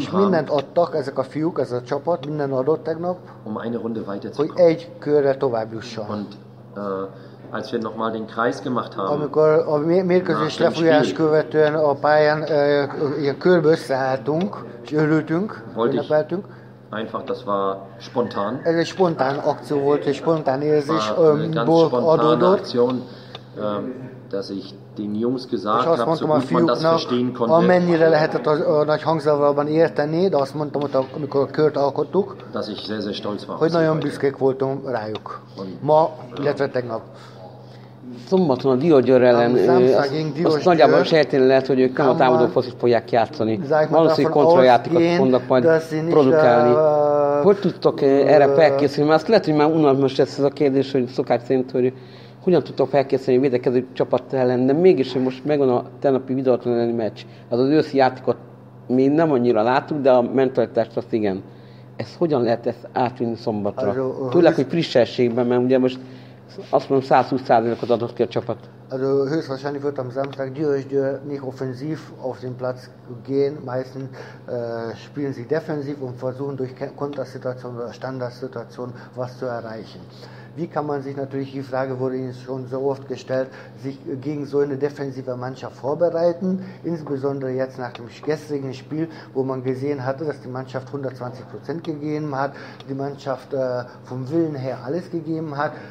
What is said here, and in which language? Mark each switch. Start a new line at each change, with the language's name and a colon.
Hungarian: és mindent adtak ezek a fiúk, ez a csapat, minden adott tegnap,
German: eine Runde weiter zu
Hungarian: hogy
German: kommen.
Hungarian: Egy körre tovább jusson.
German: Und, als wir noch mal den Kreis gemacht haben,
Hungarian: amikor a mérkőzés lefújás követően a pályán ilyen körbe összeálltunk, és örültünk, ünnepeltünk.
German: Einfach, das war spontan.
Hungarian: Ez egy spontán akció volt, egy spontán érzés adódott.
German: Aktion, dass ich den Jungs gesagt habe, so gut man das verstehen konnte.
Hungarian: Amennyire lehetett a nagy hangzavarban érteni, de azt mondtam, hogy amikor a kört alkottuk,
German: dass ich sehr, sehr stolz war,
Hungarian: hogy nagyon büszkék voltunk rájuk. Ma, illetve tegnap. Szombaton a Diógyőr ellen, azt nagyjából sejteni lehet, hogy ők a támadó fosztot fogják játszani. Valószínű kontrajátékot fognak majd produkálni. Hogy tudtok erre felkészülni? Mert azt lehet, hogy már unalmas lesz ez a kérdés, hogy szokás szerint, hogy hogyan tudtok felkészülni a védekező csapat ellen, de mégis, hogy most megvan a tennapi videótlan elleni meccs, az az őszi játékot mi nem annyira látunk, de a mentalitást azt igen. Ez hogyan lehet ezt átvinni szombatra? Tudják, hogy frissességben, mert ugye most azt mondom, 120%-ot adott ki a csapat.
German: Also höchstwahrscheinlich wird am Samstag Diógyőr nicht offensiv auf den Platz gehen. Meistens spielen sie defensiv und versuchen durch Kontersituation oder Standardsituation was zu erreichen. Wie kann man sich natürlich, die Frage wurde Ihnen schon so oft gestellt, sich gegen so eine defensive Mannschaft vorbereiten, insbesondere jetzt nach dem gestrigen Spiel, wo man gesehen hatte, dass die Mannschaft 120% gegeben hat, die Mannschaft vom Willen her alles gegeben hat.